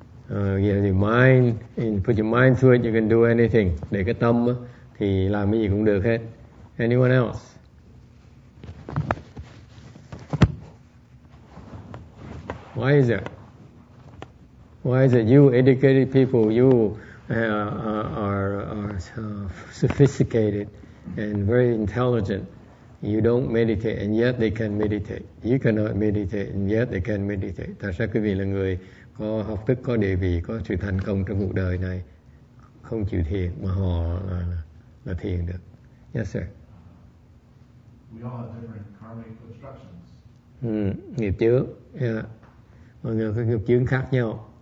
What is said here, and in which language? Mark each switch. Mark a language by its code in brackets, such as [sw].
[en] Yeah, your mind, put your mind to it, you can do anything. [vi] Để cái tâm thì làm cái gì cũng được hết. [en] Anyone else? Why is it? Why is it you educated people, you are sophisticated, and very intelligent. You don't meditate and yet they can meditate. You cannot meditate and yet they can meditate. [vi] Tại sao quý vị là người có học thức, có địa vị, có sự thành công trong cuộc đời này không chịu thiền mà họ là thiền được? [en] Yes, sir. We all have different karmic obstructions. [vi] Nghiệp chướng. Yeah. Mọi người có nghiệp chướng khác nhau.